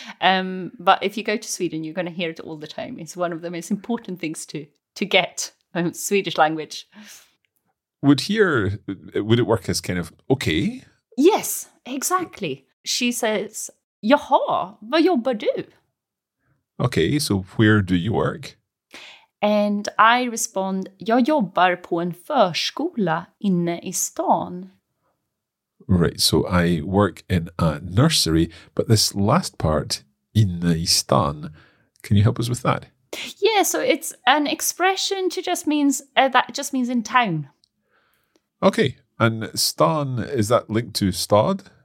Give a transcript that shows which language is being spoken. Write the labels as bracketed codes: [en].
[en] But if you go to Sweden, you're going to hear it all the time. It's one of the most important things to get in Swedish language. Would it work as kind of, okay? Yes, exactly. She says, [sv] jaha, vad jobbar du? [en] Okay, so where do you work? And I respond, [sv] jag jobbar på en förskola inne i stan. [en] Right, so I work in a nursery, but this last part, [sv] inne i stan, [en] can you help us with that? Yeah, so it's an expression that just means in town. Okay, and stan, is that linked to stad?